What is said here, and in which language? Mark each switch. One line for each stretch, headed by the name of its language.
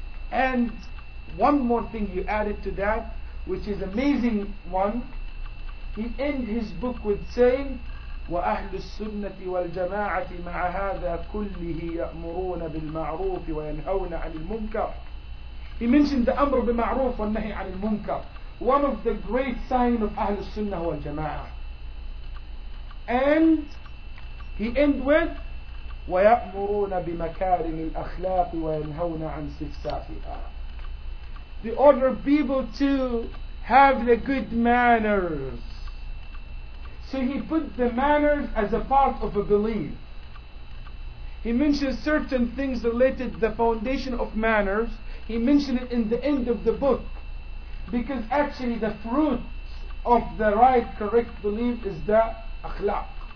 English: And one more thing you added to that, which is amazing one, he ends his book with saying,
Arabic: وَأَهْلُ السُّنَّةِ وَالْجَمَاعَةِ مَعَ هَذَا كُلِّهِ يَأْمُرُونَ بِالْمَعْرُوفِ وَيَنْهَوْنَ عَنِ الْمُنْكَرِ.
English: He mentioned the
Arabic: أمر بمعروف والنهي عن المنكر.
English: One of the great signs of أهل السنة والجماعة. And he ends with,
Arabic: وَيَأْمُرُونَ بِمَكَارِمِ الْأَخْلَاقِ وَيَنْهَوْنَ عَنْ سِفْسَافِهَا.
English: They order people to have the good manners. So he put the manners as a part of a belief. He mentions certain things related to the foundation of manners. He mentioned it in the end of the book. Because actually the fruit of the right, correct belief is the akhlaq.